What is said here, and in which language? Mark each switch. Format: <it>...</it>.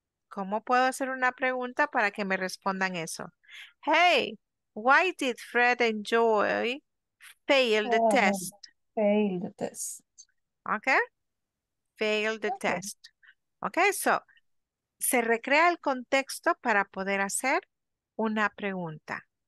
<es>¿Cómo puedo hacer una pregunta para que me respondan eso?</es> <en>Hey, why did Fred and Joy fail the test? Fail the test. Okay. Fail the test.</en> <es>Okay, so se recrea el contexto para poder hacer una pregunta.</es>